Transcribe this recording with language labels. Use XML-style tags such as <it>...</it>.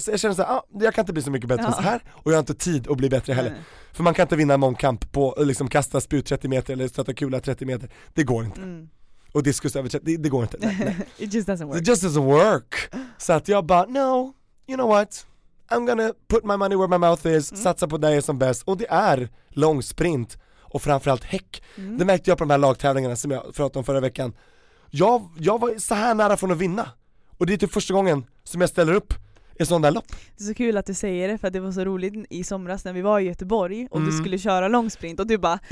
<sv>Så jag känner såhär, jag kan inte bli så mycket bättre än så här. Och jag har inte tid att bli bättre heller. För man kan inte vinna en mångkamp på att liksom, kasta spjut 30 meter eller stöta kula 30 meter. Det går inte. Och diskus över, det går inte. Nej.</sv> <en>It just doesn't work. It just doesn't work.</en> <sv>Så att jag bara,</sv> <en>no, you know what? I'm gonna put my money where my mouth is.</en> <sv>Satsa på det jag är som bäst. Och det är lång sprint. Och framförallt häck. Det märkte jag på de här lagtävlingarna som jag pratade om förra veckan. Jag var så här nära från att vinna. Och det är typ första gången som jag ställer upp i sån där lopp. Det är så kul att du säger det, för det var så roligt i somras när vi var i Göteborg och du skulle köra långsprint och du bara...</sv>